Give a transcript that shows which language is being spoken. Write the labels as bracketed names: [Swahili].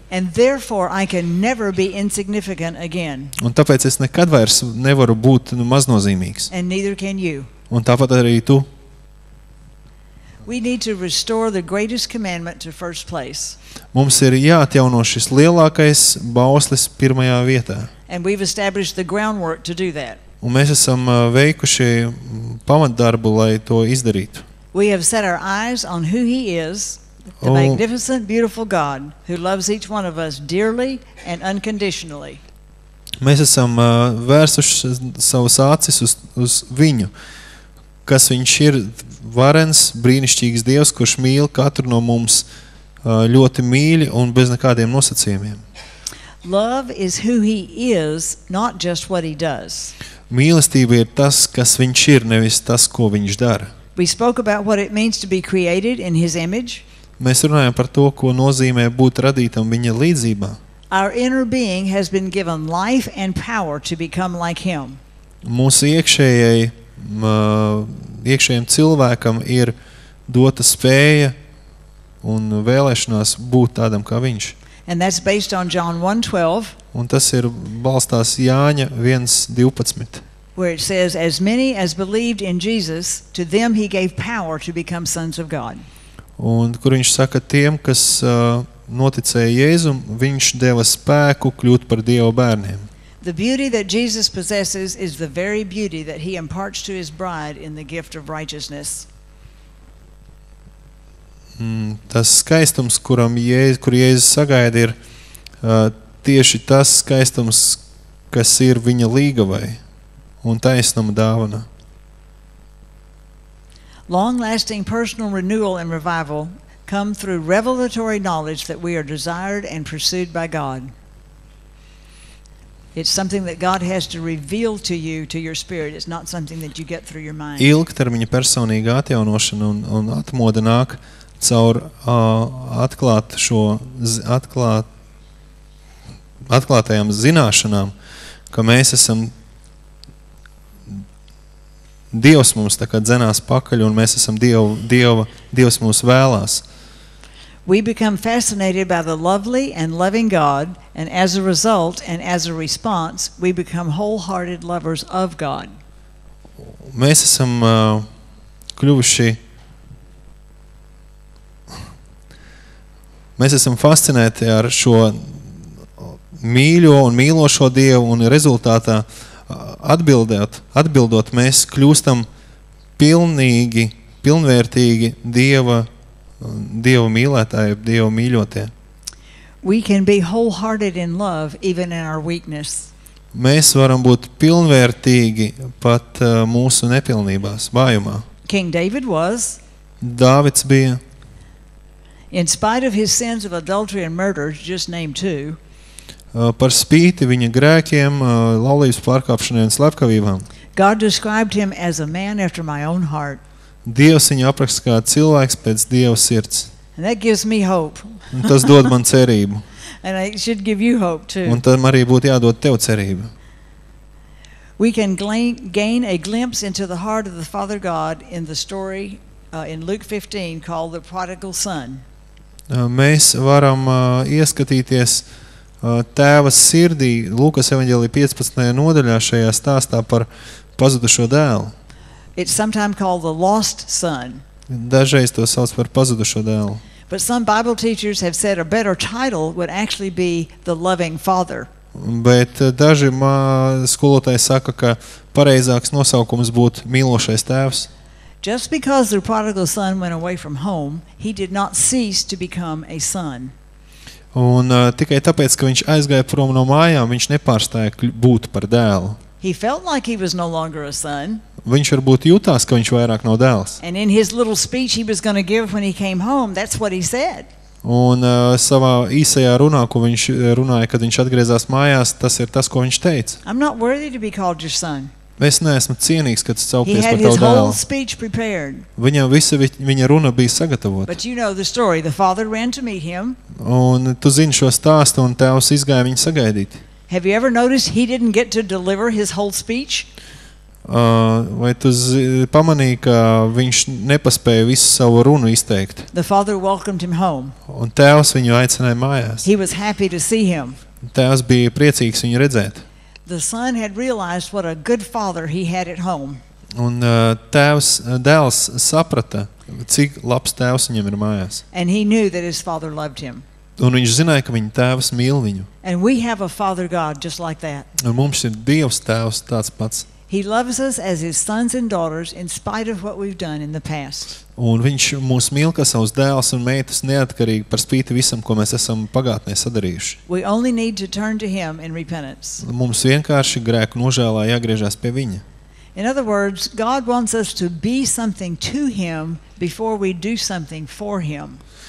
[English] And therefore I can never be insignificant again. [Latvian] Un tāpēc es nekad vairs nevaru būt maznozīmīgs. [English] And neither can you. [Latvian] Un tāpat arī tu. [English] We need to restore the greatest commandment to first place. [Latvian] Mums ir jāatjauno šis lielākais bauslis pirmajā vietā. [English] And we've established the groundwork to do that. [Latvian] Un mēs esam veikuši pamatdarbu, lai to izdarītu. [English] We have set our eyes on who he is, the magnificent, beautiful God who loves each one of us dearly and unconditionally. [Latvian] Mēs esam vērsuši savus acis uz viņu, kas viņš ir, varens, brīnišķīgs Dievs, kurš mīl katru no mums ļoti mīļi un bez nekādiem nosacījumiem. [English] Love is who he is, not just what he does. [Latvian] Mīlestība ir tas, kas viņš ir, nevis tas, ko viņš dara. [English] We spoke about what it means to be created in his image. [Latvian] Mēs runājam par to, ko nozīmē būt radītam viņa līdzībā. [English] Our inner being has been given life and power to become like him. [Latvian] Mūsu iekšējiem cilvēkam ir dota spēja un vēlēšanās būt tādam kā viņš. [English] And that's based on John 1:12. [Latvian] Un tas ir balstās Jāņa 1:12. [English] Where it says, as many as believed in Jesus, to them he gave power to become sons of God. [Latvian] Un kur viņš saka, tiem, kas noticēja Jēzum, viņš deva spēku kļūt par Dieva bērniem. [English] The beauty that Jesus possesses is the very beauty that he imparts to his bride in the gift of righteousness. [Latvian] Tas skaistums, kur Jēzus sagaida, ir tieši tas skaistums, kas ir viņa līgavai un taisnuma dāvana. [English] Long-lasting personal renewal and revival come through revelatory knowledge that we are desired and pursued by God. It's something that God has to reveal to you, to your spirit. It's not something that you get through your mind. [Latvian] Ilgtermiņa personīga atjaunošana un atmoda nāk caur atklātajām zināšanām, ka mēs esam, Dievs mums tā kā dzenās pakaļ, un mēs esam Dievs mūs vēlās. [English] We become fascinated by the lovely and loving God, and as a result and as a response, we become wholehearted lovers of God. [Latvian] Mēs esam kļuvuši Mēs esam fascinēti ar šo mīļo un mīlošo Dievu un rezultātā atbildot mēs kļūstam pilnīgi, pilnvērtīgi Dieva mīlētāji, Dieva mīļotie. [English] We can be wholehearted in love even in our weakness. [Latvian] Mēs varam būt pilnvērtīgi pat mūsu nepilnībās, vājumā. [English] King David was. [Latvian] Dāvids bija. [English] In spite of his sins of adultery and murder, just name two. [Latvian] Par spīti viņa grēkiem, laulības pārkāpšanai un slepkavībām. [English] God described him as a man after my own heart. [Latvian] Dievs viņu apraksta kā cilvēks pēc Dieva sirds. [English] And that gives me hope. [Latvian] Un tas dod man cerību. [English] And it should give you hope too. [Latvian] Un tam arī būtu jādod tev cerību. [English] We can gain a glimpse into the heart of the Father God in the story in Luke 15 called the prodigal son. [Latvian] Mēs varam ieskatīties tēva sirdī Lūkas evaņģēlija 15. Nodaļā šajā stāstā par pazudušo dēlu. [English] It's sometimes called the lost son. [Latvian] Dažreiz to sauc par pazudušo dēlu. [English] But some Bible teachers have said a better title would actually be the loving father. [Latvian] Bet daži skolotāji saka, ka pareizāks nosaukums būtu mīlošais tēvs. [English] Just because the prodigal son went away from home, he did not cease to become a son. [Latvian] Un tikai tāpēc, ka viņš aizgāja prom no mājām, viņš nepārstāja būt par dēlu. [English] He felt like he was no longer a son. [Latvian] Viņš varbūt jūtās, ka viņš vairāk nav dēls. [English] And in his little speech he was going to give when he came home, that's what he said. [Latvian] Un savā īsajā runā, ko viņš runāja, kad viņš atgriezās mājās, tas ir tas, ko viņš teica. [English] I'm not worthy to be called your son. [Latvian] Es neesmu cienīgs, kad saukties par tavu dēlu. Viņam visa viņa runa bija sagatavota. [English] But you know the story. The father ran to meet him. [Latvian] Un tu zini šo stāstu, un tēvs izgāja viņu sagaidīt. [English] Have you ever noticed he didn't get to deliver his whole speech? [Latvian] Vai tu pamanīji, ka viņš nepaspēja visu savu runu izteikt? [English] The father welcomed him home. [Latvian] Un tēvs viņu aicināja mājās. [English] He was happy to see him. [Latvian] Tēvs bija priecīgs viņu redzēt. [English] The son had realized what a good father he had at home. [Latvian] Un tēvs, dēls saprata, cik labs tēvs viņam ir mājās. [English] And he knew that his father loved him. [Latvian] Un viņš zināja, ka viņa tēvs mīl viņu. [English] And we have a father God just like that. [Latvian] Un mums ir Dievs tēvs tāds pats. [English] He loves us as his sons and daughters in spite of what we've done in the past. [Latvian] Un viņš mūs mīl kā savus dēls un meitas neatkarīgi par spīti visam, ko mēs esam pagātnē sadarījuši. [English] We only need to turn to him in repentance. [Latvian] Mums vienkārši grēku nožēlā jāgriežas pie viņa. [English] In other words, God wants us to be something to him before we do something for him.